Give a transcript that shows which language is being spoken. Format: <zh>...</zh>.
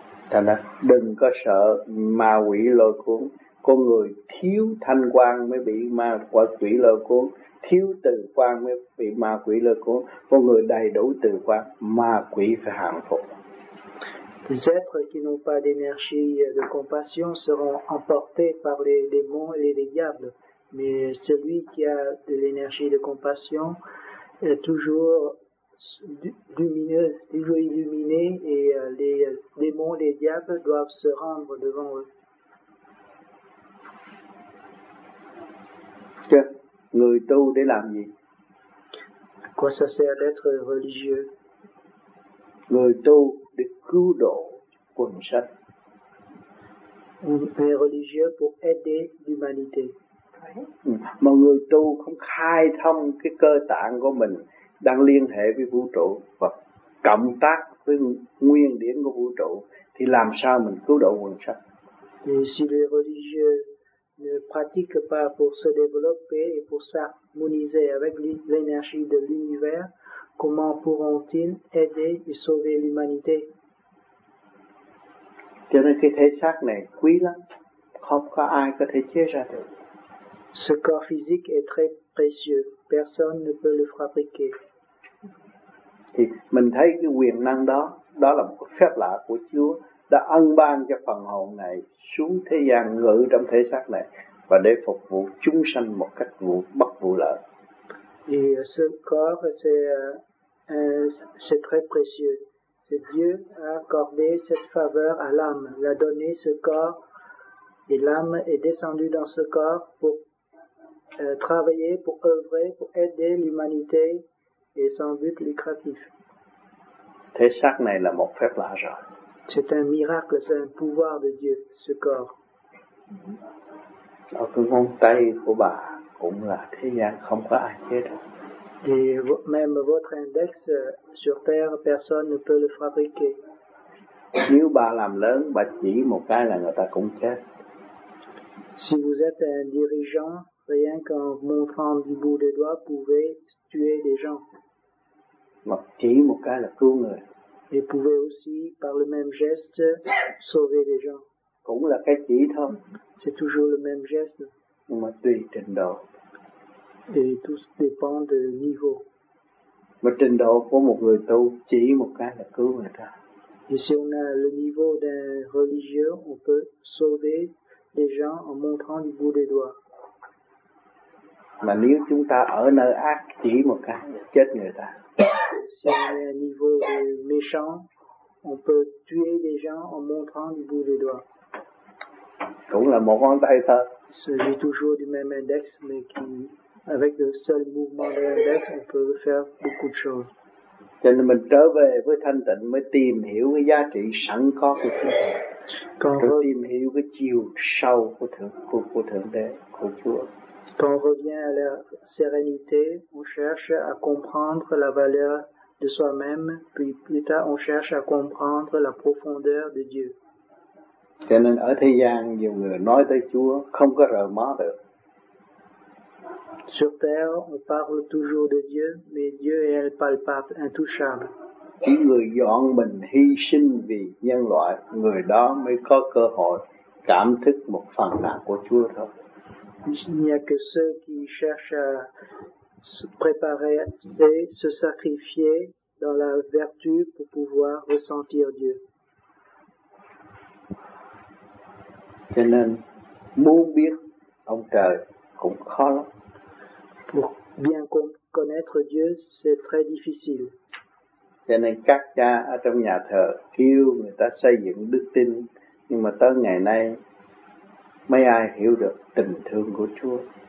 <vi>Thành ra, đừng có sợ ma quỷ lôi cuốn. Con người thiếu thanh quang mới bị ma quỷ lôi cuốn. Thiếu từ quang mới bị ma quỷ lôi cuốn. Con người đầy đủ từ quang, ma quỷ phải hàng phục.</vi> <fr>Les êtres qui n'ont pas d'énergie de compassion seront emportés par les démons et les diables. Mais celui qui a de l'énergie de compassion est toujours lumineux, toujours illuminé, et les démons, les diables doivent se rendre devant eux.</fr> <vi>Người tu để làm gì?</vi> <fr>À quoi ça sert d'être religieux?</fr> <vi>Người tu để cứu độ quần sanh.</vi> <fr>On est religieux pour aider l'humanité.</fr> <vi>Mà người tu không khai thông cái cơ tạng của mình đang liên hệ với vũ trụ và cộng tác với nguyên điển của vũ trụ thì làm sao mình cứu độ quần sanh?</vi> <fr>Et si les religieux ne pratiquent pas pour se développer et pour s'harmoniser avec l'énergie de l'univers, comment pourront-ils aider et sauver l'humanité?</fr> <vi>Cho nên cái thể xác này quý lắm, không có ai có thể chia ra được.</vi> <fr>Ce corps physique est très précieux. Personne ne peut le fabriquer.</fr> <vi>Thì mình thấy cái quyền năng đó, đó là một phép lạ của Chúa đã ân ban cho phần hồn này xuống thế gian ngự trong thể xác này và để phục vụ chúng sanh một cách bất vụ lợi.</vi> <fr>Et ce corps c'est très précieux. C'est Dieu a accordé cette faveur à l'âme. Il a donné ce corps et l'âme est descendue dans ce corps pour travailler, pour œuvrer, pour aider l'humanité et sans but lucratif.</fr> <vi>Thể xác này là một phép lạ rồi.</vi> <fr>C'est un miracle, c'est un pouvoir de Dieu, ce corps. Mm-hmm.</fr> <vi>Cái ngón tay của bà cũng là thế gian không có ai chế được.</vi> <fr>Et même votre index sur terre, personne ne peut le fabriquer.</fr> <vi>Nếu bà làm lớn, bà chỉ một cái là người ta cũng chết.</vi> <fr>Si vous êtes un dirigeant, rien qu'en montrant du bout des doigts, pouvez tuer des gens.</fr> <vi>Mà chỉ một cái là cứu người.</vi> <fr>Et pouvez aussi, par le même geste, sauver des gens.</fr> <vi>Cũng là cái chỉ thôi.</vi> <fr>C'est toujours le même geste.</fr> <vi>Nhưng mà tùy trình độ.</vi> <fr>Et tout dépend de niveau.</fr> <vi>Mà trình độ của một người tu chỉ một cái là cứu người ta.</vi> <fr>Et si on a le niveau d'un religieux, on peut sauver des gens en montrant du bout des doigts.</fr> <vi>Mà nếu chúng ta ở nơi ác chỉ một cái chết người ta.</vi> <fr>Si on est à niveau de méchant, on peut tuer des gens en montrant du bout des doigts.</fr> <vi>Cũng là một ngón tay thôi.</vi> <fr>Celui toujours du même index, mais qui, avec le seul mouvement de l'index, on peut faire beaucoup de choses.</fr> <vi>Cho nên mình trở về với thanh tịnh mới tìm hiểu cái giá trị sẵn có của Chúa. Còn tìm hiểu cái chiều sâu của Thượng Đế, của Chúa.</vi> <fr>Quand on revient à la sérénité, on cherche à comprendre la valeur de soi-même, puis plus tard on cherche à comprendre la profondeur de Dieu.</fr> <vi>Cho nên ở thế gian, nhiều người nói tới Chúa, không có rời mó được.</vi> <fr>Sur terre, on parle toujours de Dieu, mais Dieu est palpable, intouchable.</fr> <vi>Chỉ người dọn mình hy sinh vì nhân loại, người đó mới có cơ hội cảm thức một phần nào của Chúa thôi.</vi> <fr>Il n'y a que ceux qui cherchent à se préparer et se sacrifier dans la vertu pour pouvoir ressentir Dieu.</fr> <vi>Cho nên, muốn biết ông trời cũng khó lắm.</vi> <fr>Pour bien connaître Dieu, c'est très difficile.</fr> <vi>Cho nên các cha ở trong nhà thờ kêu người ta xây dựng đức tin, nhưng mà tới ngày nay mấy ai hiểu được tình thương của Chúa.</vi>